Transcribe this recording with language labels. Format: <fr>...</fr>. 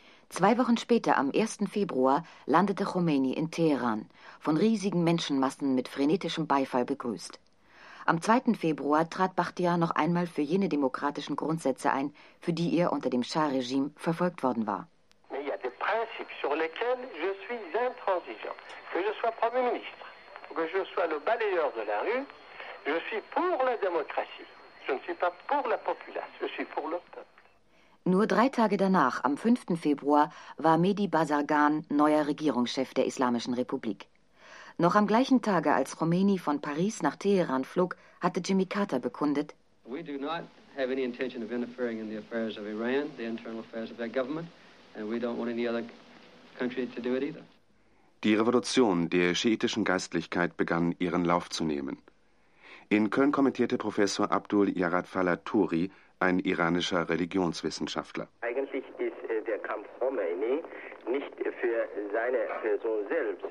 <de>Zwei Wochen später, am 1. Februar, landete Khomeini in Teheran, von riesigen Menschenmassen mit frenetischem Beifall begrüßt. Am 2. Februar trat Bachtiar noch einmal für jene demokratischen Grundsätze ein, für die er unter dem Schah-Regime verfolgt worden war.</de> <fr>Mais il y a des principes sur lesquels je suis intransigeant. Que je sois Premier ministre, que je sois le balayeur de la rue, je suis pour la démocratie. Je ne suis pas pour la populace, je suis pour le peuple.</fr> <de>Nur drei Tage danach, am 5. Februar, war Mehdi Bazargan neuer Regierungschef der Islamischen Republik. Noch am gleichen Tage, als Khomeini von Paris nach Teheran flog, hatte Jimmy Carter bekundet:</de> <en>We do not have any intention of interfering in the affairs of Iran, the internal affairs of their government, and we don't want any other country to do it either.</en> <de>Die Revolution der schiitischen Geistlichkeit begann ihren Lauf zu nehmen. In Köln kommentierte Professor Abdul Yarad Fallah Touri, ein iranischer Religionswissenschaftler. Eigentlich ist der Kampf Khomeini nicht für seine Person selbst.</de>